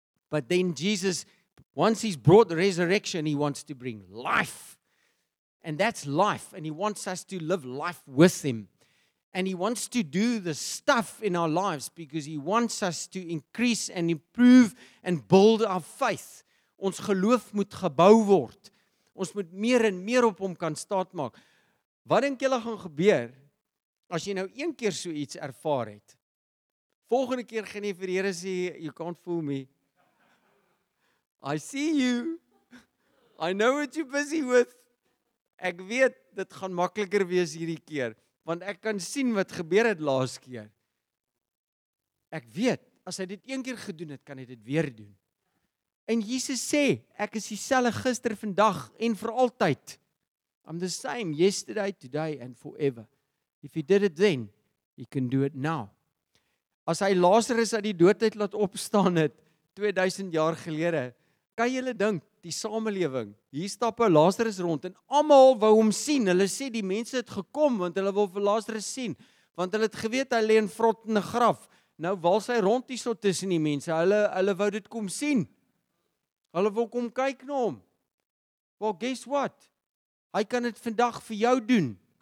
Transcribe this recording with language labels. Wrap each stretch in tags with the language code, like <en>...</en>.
<en>But then Jesus, once he's brought the resurrection, he wants to bring life. And that's life. And he wants us to live life with him. And he wants to do the stuff in our lives because he wants us to increase and improve and build our faith.</en> <af>Ons geloof moet gebou word. Ons moet meer en meer op hom kan staat maak. Wat dink julle gaan gebeur as jy nou een keer so iets ervaar het? Volgende keer gaan jy vir die Here sê,</af> <en>you can't fool me. I see you. I know what you're busy with.</en> <af>Ek weet, dit gaan makkeliker wees hierdie keer, want ek kan sien wat gebeur het laas keer. Ek weet, as hy dit een keer gedoen het, kan hy dit weer doen. En Jesus sê, ek is dieselfde gister, vandag en vir altyd.</af> <en>I'm the same yesterday, today and forever. If he did it then, he can do it now.</en> <af>As hy Lazarus uit die dood uit laat opstaan het, 2000 jaar gelede, kan jy dink, die samelewing, hier stap hy Lazarus rond, en allemaal wou hom sien, hulle sê die mense het gekom, want hulle wil vir Lazarus sien, want hulle het geweet, hy lê in vrot in die graf, nou wals hy rond hier so tussen die mense, hulle wou dit kom sien, hulle wil kom kyk na hom,</af> <en>well guess what,</en> <af>hy kan dit vandag vir jou doen,</af>